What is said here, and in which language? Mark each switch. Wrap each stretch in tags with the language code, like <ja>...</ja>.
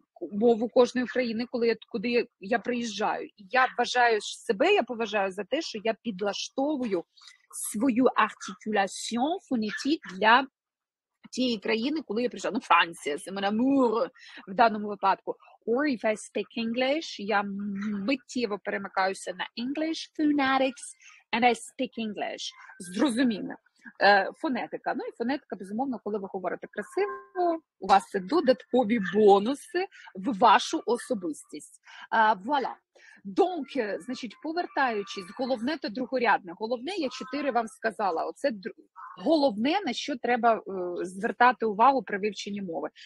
<uk>мову кожної країни, коли я куди я приїжджаю. Я вважаю себе, я поважаю за те, що я підлаштовую свою артикуляцію фонетик для тієї країни, коли я прийшла, ну, Франція, Семена Мур, в даному випадку.</uk> <en>Or if I speak English,</en> <uk>я миттєво перемикаюся на</uk> <en>English phonetics and I speak English.</en> <uk>Зрозуміло. Фонетика. Ну, і фонетика, безумовно, коли ви говорите красиво, у вас це додаткові бонуси в вашу особистість. Вуаля. Donc, значить, повертаючись, головне та другорядне. Головне, я чотири вам сказала, оце головне, на що треба звертати увагу при вивченні мови.</uk>